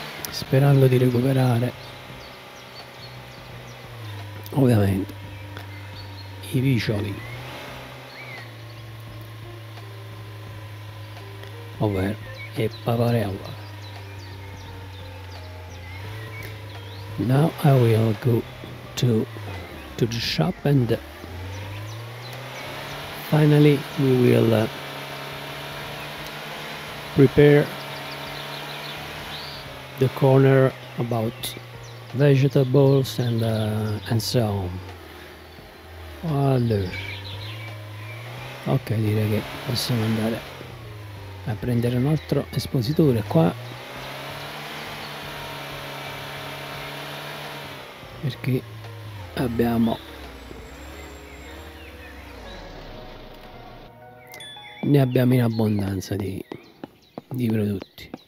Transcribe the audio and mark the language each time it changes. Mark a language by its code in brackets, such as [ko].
[it] Sperando di recuperare ovviamente i viccioli, ovvero e paparella. [en] Now I will go to the shop, and finally we will prepare the corner about vegetables and so on. [it] Allora, ok, direi che possiamo andare a prendere un altro espositore qua, perché ne abbiamo in abbondanza di prodotti.